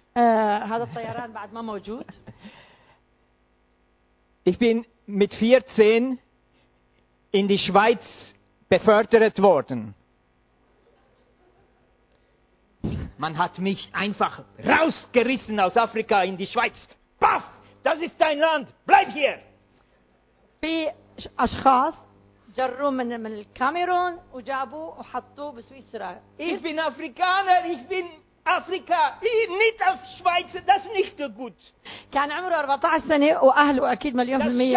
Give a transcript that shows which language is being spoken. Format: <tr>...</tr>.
<ar>هذا الطيران بعد ما موجود.</ar> <de>Ich bin mit 14 in die Schweiz befördert worden. Man hat mich einfach rausgerissen aus Afrika in die Schweiz. Paff! Das ist dein Land! Bleib hier!</de> <ar>في أشخاص جروا من الكاميرون وجابوا وحطوا بسويسرا.</ar> <de>Ich bin Afrikaner, ich bin Afrika, nicht auf Schweiz, das ist nicht gut.</de> <ar>كان عمره 14 سنة وأهله أكيد مليون في المية.</ar>